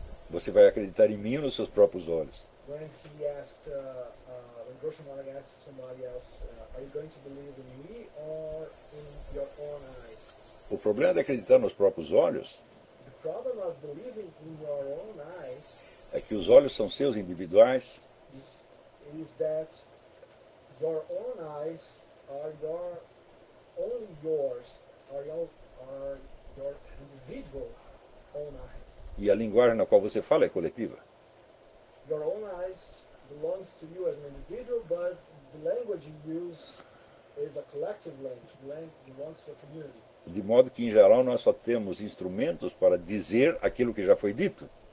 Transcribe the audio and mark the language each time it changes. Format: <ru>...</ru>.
<pt>Você vai acreditar em mim ou nos seus próprios olhos?</pt> <en>When he asked, when Groucho Marx asked somebody else, are you going to believe in me or in your own eyes?</en> <pt>O problema de acreditar nos próprios olhos?</pt> <en>The problem of believing in your own eyes.</en> <pt>É que os olhos são seus individuais.</pt> <en>Is that your own eyes are your only yours, are your individual own eyes.</en> <pt>E a linguagem na qual você fala é coletiva.</pt> <en>Your own eyes belongs to you as an individual, but the language you use is a collective language, belongs to a community.</en> <pt>De modo que, em geral, nós só temos instrumentos para dizer aquilo que já foi dito.</pt>